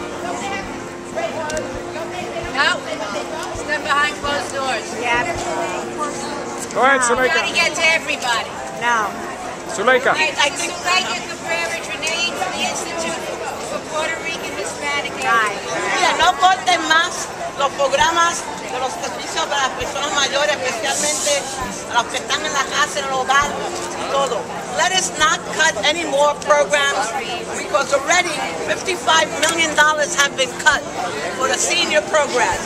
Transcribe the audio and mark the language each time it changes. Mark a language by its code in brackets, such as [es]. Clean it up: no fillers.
[en] No, stand behind closed doors. Yeah. Go ahead, Suleika. We're gonna get to everybody. No. Suleika. I think Suleika Cabrera Drinane from the Institute for Puerto Rican Hispanic. Right. [es] No voten más los programas de los servicios para las personas mayores, especialmente a los que están en la casa, en el hogar, y todo. [en] Let us not cut any more programs because already $55 million have been cut for the senior program.